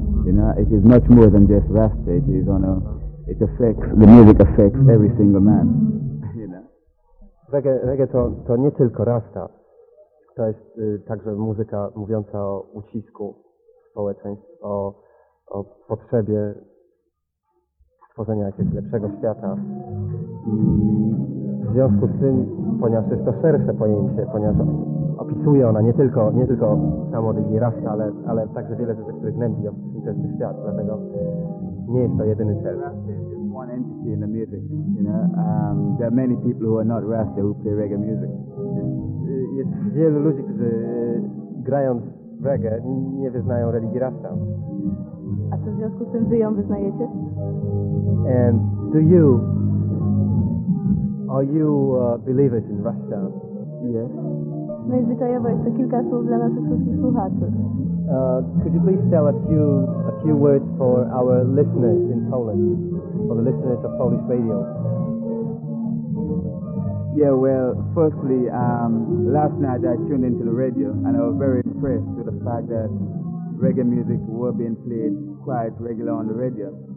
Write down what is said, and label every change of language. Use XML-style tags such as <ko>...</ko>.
<en>You know, it is much more than just Rasta. It is on a. It affects the music affects every single man. You know,</en> <pl>reggae to nie tylko Rasta. To jest także muzyka mówiąca o ucisku społeczeństw, o potrzebie stworzenia jakiegoś lepszego świata. I w związku z tym, ponieważ jest to szersze pojęcie, ponieważ opisuje ona nie tylko samo religię Rasta, ale także wiele rzeczy, które gnębi ten świat. Dlatego nie jest to jedyny cel.</pl> <en>One entity in the music, you know. There are many people who are not Rasta who play reggae music.</en> <pl>Jest wielu ludzi, którzy grając reggae nie wyznają religii Rasta. A co w związku z tym wy ją wyznajecie?</pl> <en>And do you? Are you believers in Rasta? Yes.</en> <pl>No i zwyczajowo jest to kilka słów dla naszych wszystkich słuchaczy.</pl> <en>Could you please tell a few words for our listeners in Poland, for the listeners of Polish radio? Yeah, well, firstly, last night I tuned into the radio and I was very impressed with the fact that reggae music were being played quite regular on the radio.</en>